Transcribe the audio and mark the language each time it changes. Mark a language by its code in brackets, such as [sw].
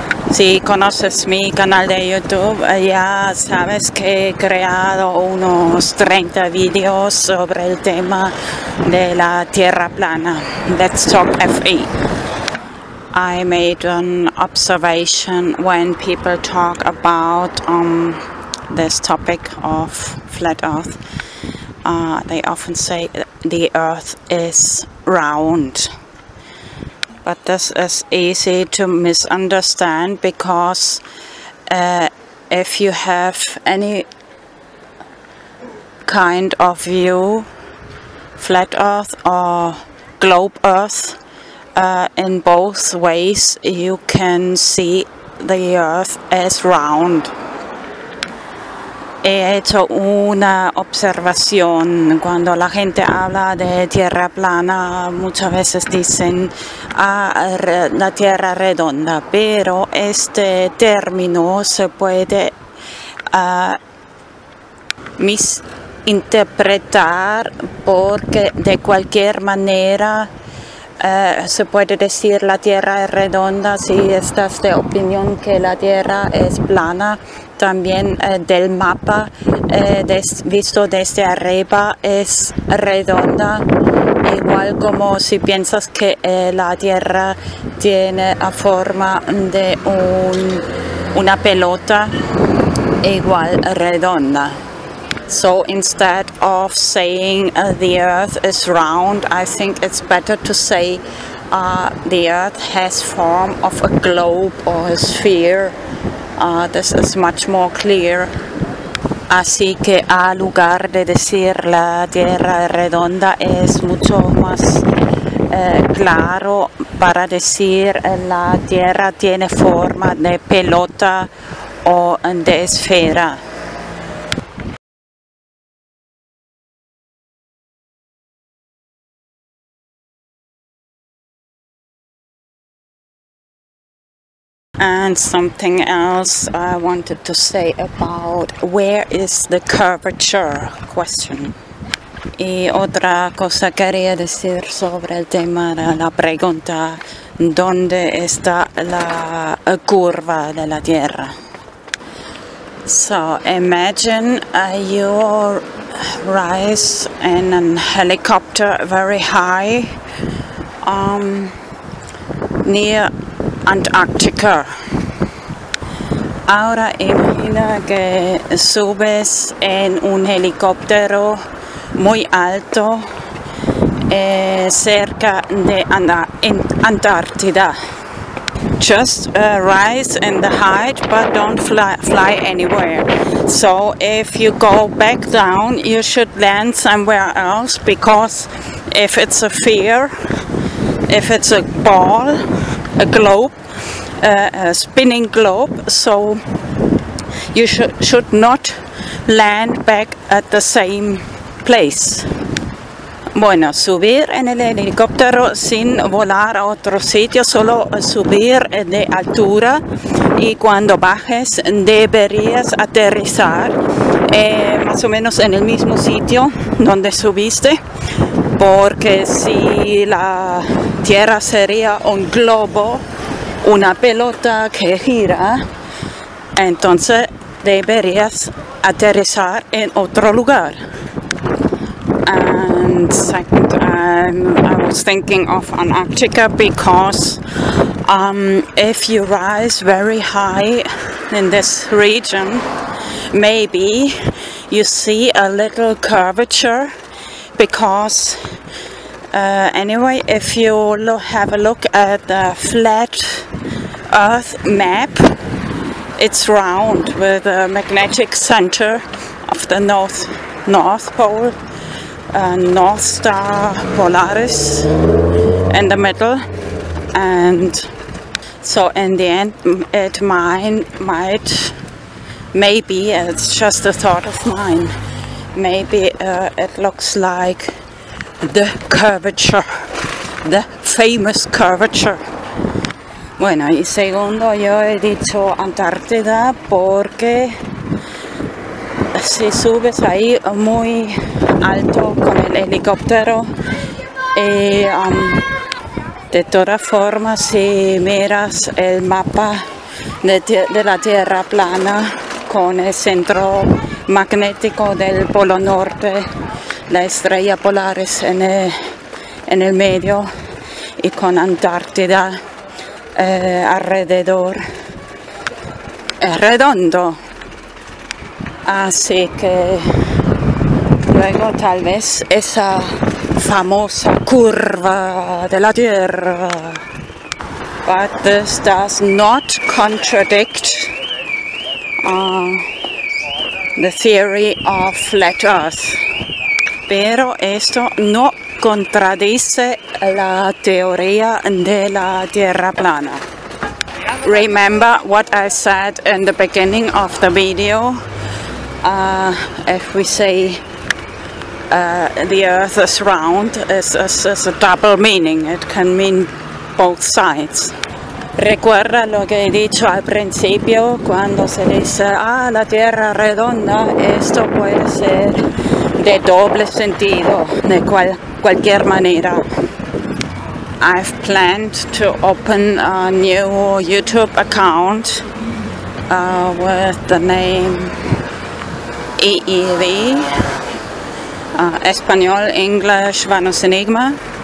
[es] Si conoces mi canal de YouTube, ya sabes que he creado unos 30 videos sobre el tema de la Tierra Plana. [en] Let's talk FE. I made an observation when people talk about this topic of flat earth. They often say the earth is round. But this is easy to misunderstand, because if you have any kind of view, flat earth or globe earth, in both ways you can see the earth as round. [es] He hecho una observación. Cuando la gente habla de tierra plana, muchas veces dicen la tierra redonda, pero este término se puede misinterpretar, porque de cualquier manera se puede decir la tierra es redonda si estás de opinión que la tierra es plana. También del mapa visto desde arriba es redonda, igual como si piensas que la tierra tiene la forma de una pelota, igual redonda. [en] So instead of saying the earth is round, I think it's better to say the earth has form of a globe or a sphere. This is much more clear. [es] Así que a lugar de decir la tierra redonda, es mucho más claro para decir la tierra tiene forma de pelota o de esfera. [en] And something else I wanted to say about where is the curvature question. [es] Y otra cosa quería decir sobre el tema de la pregunta, ¿dónde está la curva de la Tierra? [en] So imagine you rise in a helicopter very high near Antarctica. [es] Ahora imagina que subes en un helicóptero muy alto cerca de Antártida. [en] Just rise in the height, but don't fly anywhere. So if you go back down, you should land somewhere else, because if it's a sphere, if it's a ball, a globe, a spinning globe, so you should not land back at the same place. [es] Bueno, subir en el helicóptero sin volar a otro sitio, solo subir de altura, y cuando bajes deberías aterrizar más o menos en el mismo sitio donde subiste, porque si la tierra sería un globo, una pelota que gira, entonces deberías aterrizar en otro lugar. [en] And second, I was thinking of Antarctica, because if you rise very high in this region, maybe you see a little curvature, because anyway, if you have a look at the flat earth map, it's round with a magnetic center of the north pole, north star polaris in the middle, and so in the end it maybe it's just a thought of mine, maybe it looks like the curvature. the famous curvature. [es] Bueno, y segundo, yo he dicho Antártida porque si subes ahí muy alto con el helicóptero y de todas formas, si miras el mapa de la Tierra plana con el centro magnético del Polo Norte, la estrella polar es en el medio y con Antártida alrededor, es redondo. Así que luego tal vez esa famosa curva de la Tierra. [en] But this does not contradict the theory of flat earth. [es] Pero esto no contradice la teoría de la Tierra plana. [en] Remember what I said in the beginning of the video. If we say the earth is round, it's a double meaning. It can mean both sides. [es] Recuerda lo que he dicho al principio, cuando se dice, ah, la tierra redonda, esto puede ser de doble sentido, de cualquier manera. [en] I've planned to open a new YouTube account with the name EEV, Español, English, VanosEnigmA.